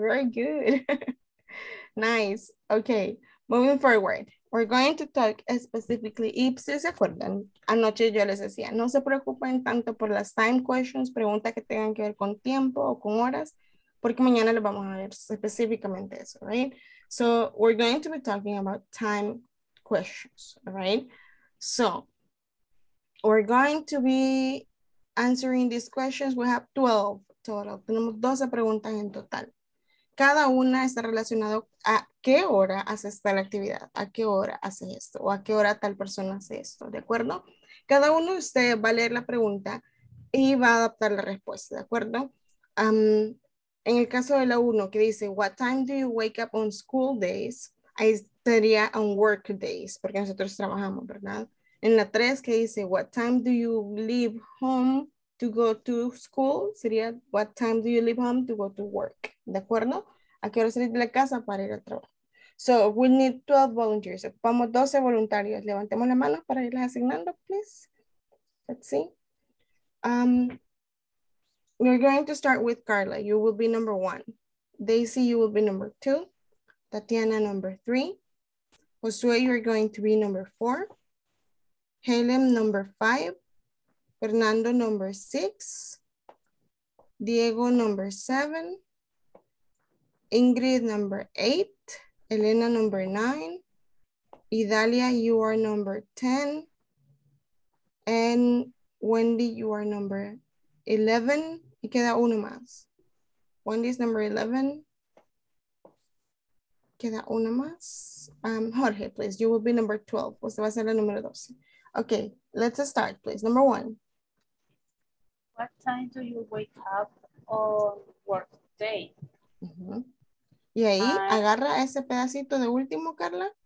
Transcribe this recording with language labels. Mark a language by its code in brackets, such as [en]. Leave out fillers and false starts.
[en] Very good. Nice. Okay. Moving forward. We're going to talk specifically, if [es] ¿sí se acuerdan? Anoche yo les decía, no se preocupen tanto por las [en] time questions, [es] preguntas que tengan que ver con tiempo o con horas, porque mañana les vamos a ver específicamente eso, right? [en] So, we're going to be talking about time questions, right? So, we're going to be answering these questions. We have 12 total. [es] Tenemos 12 preguntas en total. Cada una está relacionada a qué hora hace esta actividad, a qué hora hace esto, o a qué hora tal persona hace esto, ¿de acuerdo? Cada uno de ustedes va a leer la pregunta y va a adaptar la respuesta, ¿de acuerdo? En el caso de la 1 que dice, [en] what time do you wake up on school days? [es] Ahí sería [en] on work days, [es] porque nosotros trabajamos, ¿verdad? En la 3 que dice, [en] what time do you leave home to go to school? [es] Sería, [en] what time do you leave home to go to work? [es] ¿De acuerdo? ¿A qué hora salir de la casa para ir al trabajo? [en] So, we need 12 volunteers. [es] Ocupamos 12 voluntarios. Levantemos la mano para irles asignando, please. [en] Let's see. We're going to start with Carla. You will be number 1. Daisy, you will be number 2. Tatiana, number 3. Josue, you're going to be number 4. Helen, number 5. Fernando, number 6. Diego, number 7. Ingrid, number 8. Elena, number 9. Idalia, you are number 10. And Wendy, you are number 11. [es] Y queda uno más. [en] Wendy is number 11. [es] Queda una más. [en] Jorge, please. You will be number 12. [es] Usted va a ser la número 12. [en] Okay, let's start, please. Number 1. What time do you wake up on work day? [es] Uh-huh. Y ahí agarra ese pedacito de último, Carla.